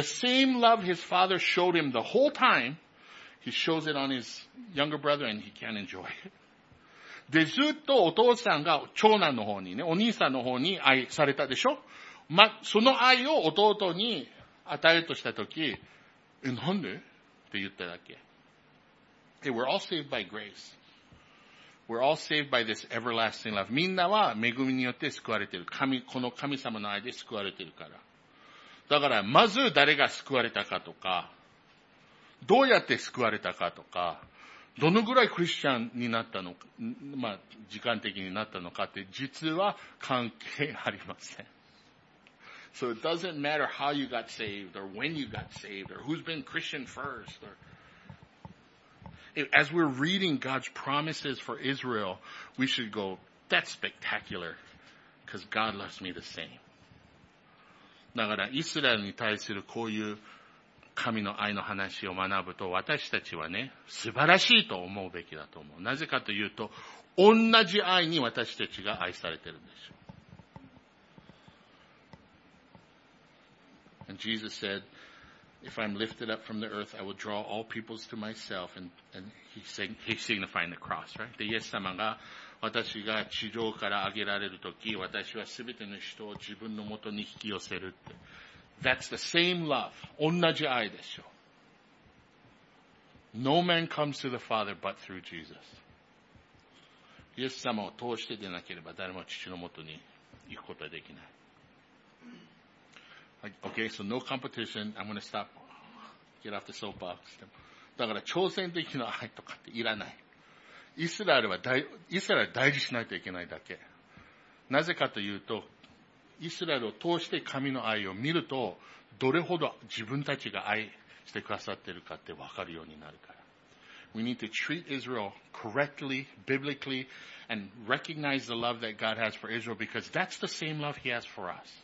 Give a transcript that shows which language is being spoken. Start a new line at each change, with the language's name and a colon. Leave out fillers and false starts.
English: The same love his father showed him the whole time, he shows it on his younger brother and he can't enjoy it.
Japanese: で、ずっとお父さんが長男の方にね、お兄さんの方に愛されたでしょ? ま、その愛を弟に与えるとしたとき、え、なんで? って言っただけ。
English: Hey, we're all saved by grace. We're all saved by this everlasting love.
Japanese: みんなは恵みによって救われてる。神、この神様の愛で救われてるから。だから、まず誰が救われたかとか、どうやって救われたかとか、どのぐらいクリスチャンになったのか、まあ、時間的になったのかって、実は関係ありません。
English: So it doesn't matter how you got saved, or when you got saved, or who's been Christian first, or... As we're reading God's promises for Israel, we should go, that's spectacular, because God loves me the same.
Japanese: だから、イスラエルに対するこういう神の愛の話を学ぶと、私たちはね、素晴らしいと思うべきだと思う。なぜかというと、同じ愛に私たちが愛されてるんでしょう。
English: And Jesus said,If I'm lifted up from the earth, I will draw all peoples to myself. And he's signifying the cross, right?
Japanese: で、イエス様が、私が地上から上げられるとき、私はすべての人を自分のもとに引き寄せるって。
English: That's the same love.
Japanese: 同じ愛でしょ。
English: No man comes to the Father but through Jesus.
Japanese: イエス様を通してでなければ、誰も父のもとに行くことはできない。
English: Okay, so no competition. I'm gonna stop. Get off the soapbox.
Japanese: だから挑戦的な愛とかっていらない。イスラエルは大事しないといけないだけ。なぜかというと、イスラエルを通して神の愛を見ると、どれほど自分たちが愛してくださっているかってわかるようになるから。
English: We need to treat Israel correctly, biblically, and recognize the love that God has for Israel because that's the same love He has for us.